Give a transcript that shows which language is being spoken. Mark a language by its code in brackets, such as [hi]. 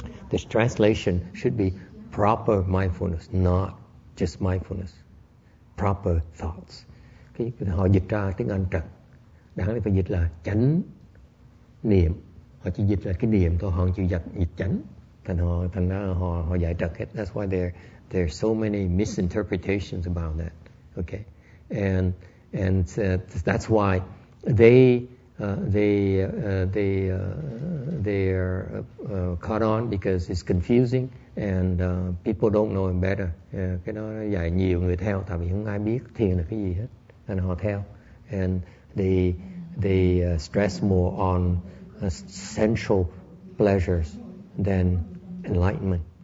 [en] The translation should be proper mindfulness, not just mindfulness. Proper thoughts. [vi] Họ dịch ra tiếng Anh trật. Đáng lẽ phải dịch là chánh niệm. Họ chỉ dịch là cái niệm thôi. Họ không chịu dịch chánh. Thành ra họ giải trật hết. [en] That's why there are so many misinterpretations about that. Okay, and that's why they uh, they uh, they're caught on because it's confusing and people don't know him better. [vi] Cái đó dạy nhiều người theo tại vì không ai biết thiền là cái gì hết. And họ theo. [en] And they stress more on sensual pleasures than enlightenment.